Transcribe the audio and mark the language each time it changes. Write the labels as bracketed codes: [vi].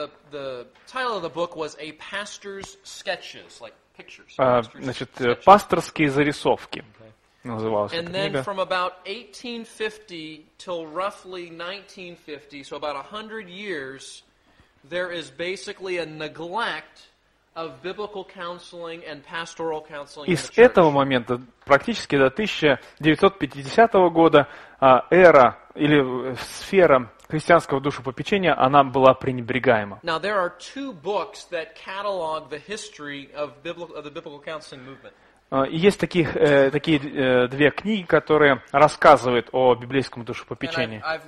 [en] The title of the book was A Pastor's Sketches, like pictures. [ru] Значит, пасторские зарисовки. Называлась [en] and then from about 1850 till roughly 1950, so about 100 years, there is basically a neglect of biblical counseling and pastoral counseling. [ru] И с этого момента практически до 1950 года эра или сфера христианского душепопечения она была пренебрегаема. [en] Now there are two books that catalog the history of the biblical counseling movement. [ru] Есть такие две книги, которые рассказывают о библейском душепопечении.